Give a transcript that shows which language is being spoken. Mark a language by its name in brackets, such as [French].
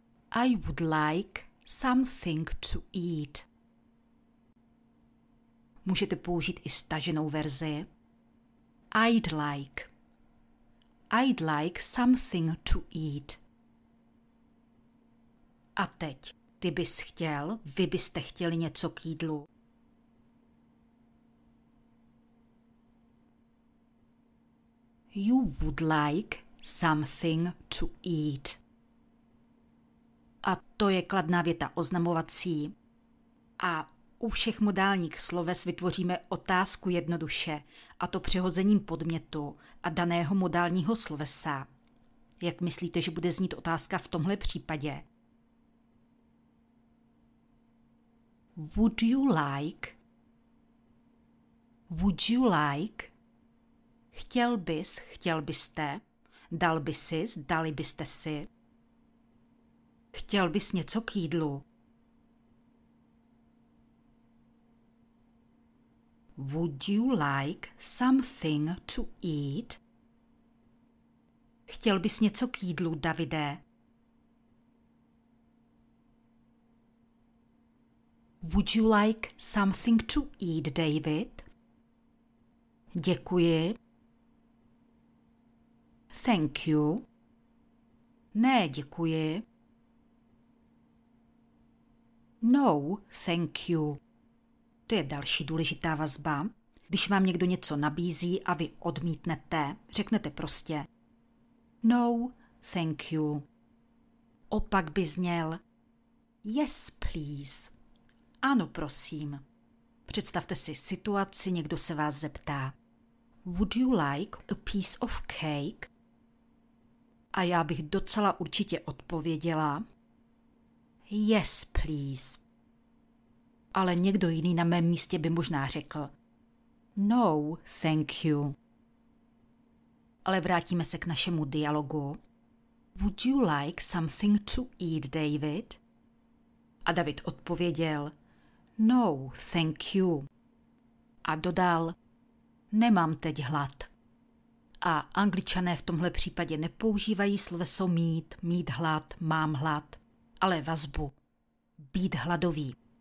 [English] I would like something to eat. [Czech] Můžete použít i staženou verzi. [English] I'd like. I'd like something to eat. [Czech] A teď, ty bys chtěl, vy byste chtěli něco k jídlu. [English] You would like something to eat. [Czech] A to je kladná věta oznamovací. A u všech modálních sloves vytvoříme otázku jednoduše, a to přehozením podmětu a daného modálního slovesa. Jak myslíte, že bude znít otázka v tomhle případě? [English] Would you like? Would you like? [Czech] Chtěl bys, chtěl byste, dal by si, dali byste si. Chtěl bys něco k jídlu. [English] Would you like something to eat? [Czech] Chtěl bys něco k jídlu, Davide? [English] Would you like something to eat, David? [Czech] Děkuji. [English] Thank you. [Czech] Ne, děkuji. [English] No, thank you. [Czech] To je další důležitá vazba. Když vám někdo něco nabízí a vy odmítnete, řeknete prostě [English] no, thank you. [Czech] Opak by zněl [English] yes, please. [Czech] Ano, prosím. Představte si situaci, někdo se vás zeptá. [English] Would you like a piece of cake? [Czech] A já bych docela určitě odpověděla [English] yes, please. [Czech] Ale někdo jiný na mém místě by možná řekl [English] no, thank you. [Czech] Ale vrátíme se k našemu dialogu. [English] Would you like something to eat, David? [Czech] A David odpověděl [English] no, thank you. [Czech] A dodal nemám teď hlad. A Angličané v tomhle případě nepoužívají sloveso mít, mít hlad, mám hlad, ale vazbu. Být hladový.